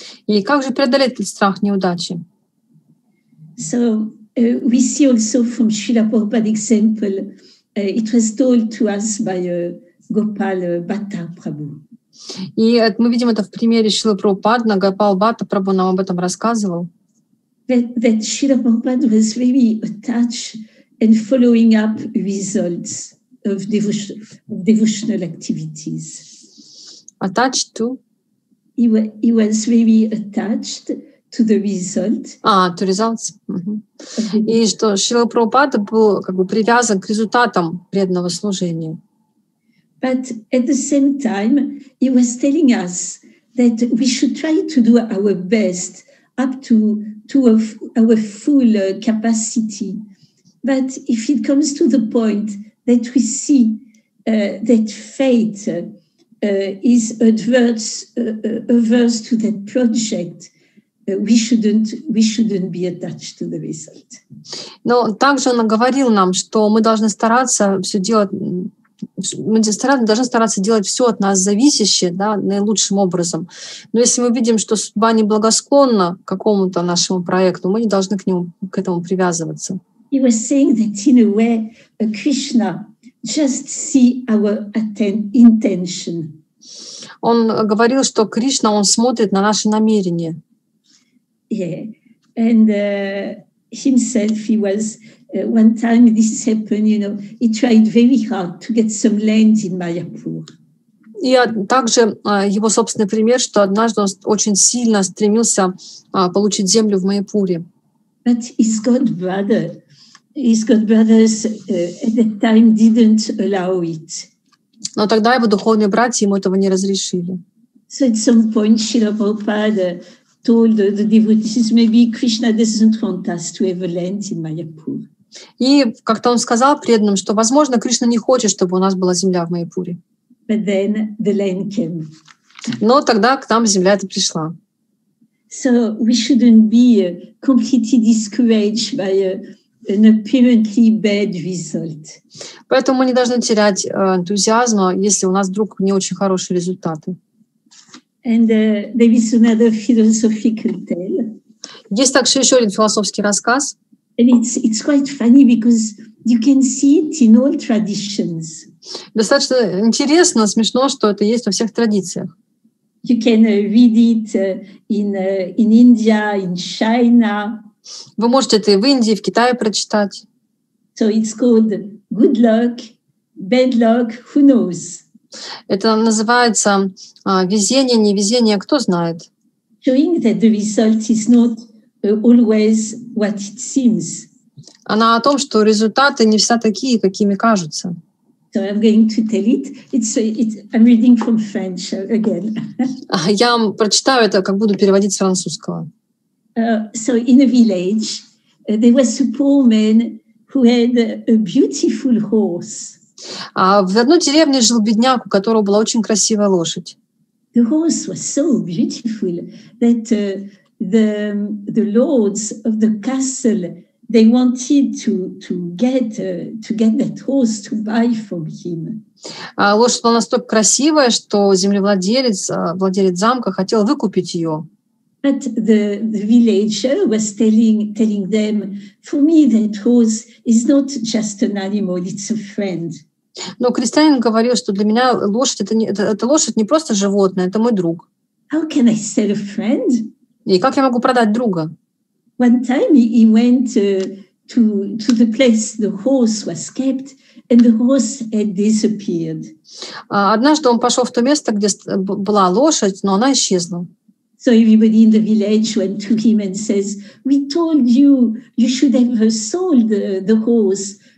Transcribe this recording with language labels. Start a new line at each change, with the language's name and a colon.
Russian: И как же преодолеть этот страх неудачи?
English: So we see also from Srila Prabhupada's example, it was told to us by Gopal Bhatta Prabhu.
Russian: И мы видим это в примере Шрилы Прабхупады. Гопал Бхатта Прабху нам об этом рассказывал.
English: That Srila Prabhupada was very attached and following up results of devotional activities. Attached to? He was very attached to the result. To results.
Russian: И что Шрила Прабхупада был как бы привязан к результатам преданного служения.
English: But at the same time, he was telling us that we should try to do our best up to our full capacity. But if it comes to the point that we see that fate is averse to that project, we shouldn't be attached to the result.
Russian: Но также он говорил нам, что мы должны стараться все делать, мы должны стараться делать все от нас зависящее, да, наилучшим образом. Но если мы видим, что судьба не благосклонна какому-то нашему проекту, мы не должны к нему, к этому привязываться.
English: He was saying that in a way, Krishna just see our intention.
Russian: Он говорил, что Кришна, он смотрит на наши намерения.
English: Yeah, and himself, he was one time this happened, you know, he tried very hard to get some land in Mayapur.
Russian: И также его собственный пример, что однажды он очень сильно стремился получить землю в Майяпуре.
English: But his godbrothers at that time didn't allow it.
Russian: Но тогда его духовные братья ему этого не разрешили.
English: So at some point Srila Prabhupada told the devotees, maybe Krishna doesn't want us to have a land in Mayapur.
Russian: И как-то он сказал преданным, что, возможно, Кришна не хочет, чтобы у нас была земля в Майяпуре.
English: But then the land came.
Russian: Но тогда к нам земля эта пришла.
English: So we shouldn't be completely discouraged by an apparently bad result.
Russian: Поэтому мы не должны терять энтузиазма, если у нас вдруг не очень хорошие результаты.
English: And there is another philosophical tale.
Russian: Есть также еще один философский рассказ.
English: And it's quite funny because You can see it in all traditions.
Russian: Достаточно интересно, смешно, что это есть во всех традициях.
English: You can read it in India, in China.
Russian: Вы можете это в Индии, в Китае прочитать.
English: So it's called good luck, bad luck, who knows?
Russian: Это называется везение, невезение, кто знает?
English: Showing that the result is not always what it seems.
Russian: Она о том, что результаты не всегда такие, какими кажутся.
English: So I'm going to tell it. I'm reading from French again.
Russian: Я прочитаю это, как буду переводить с французского.
English: So in a village, there was a poor man who had a beautiful horse.
Russian: В одной деревне жил бедняк, у которого была очень красивая лошадь.
English: The horse was so beautiful that the lords of the castle they wanted to get that horse to buy from him.
Russian: Лошадь была настолько красивая, что землевладелец, владелец замка, хотел выкупить ее.
English: But the villager was telling them, for me that horse is not just an animal, it's a friend.
Russian: Но крестьянин говорил, что для меня лошадь это лошадь не просто животное, это мой друг.
English: How can I sell a friend?
Russian: И как я могу продать друга?
English: One time he went to the place the horse was kept, and the horse had disappeared.
Russian: Однажды он пошел в то место, где была лошадь, но она исчезла.
English: So everybody in the village went to him and says, "We told you you should have sold the horse.